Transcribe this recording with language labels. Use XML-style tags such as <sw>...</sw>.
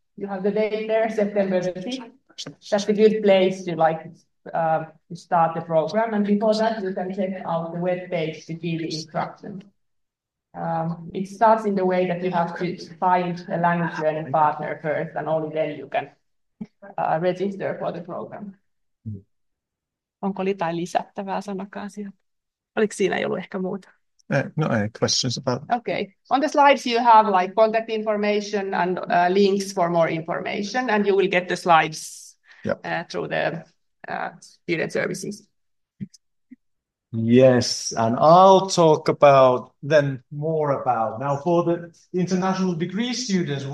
<en>You have the date there, September the 5th. That's a good place to like start the program. And before that, you can check out the web page to give the instructions. It starts in the way that you have to find a language learning partner first, and only then you can register for the program.</en> <fi>Onko jotain lisättävää sanakaan siihen? Oliko siinä ei ollut</fi> <en>No, any questions about</en> <fi>ehkä muuta? Okay.</fi> <en>On the slides, you have like contact information and links for more information, and you will get the slides through the student services. Yes, and I'll talk about then more about now for the international degree students.</en>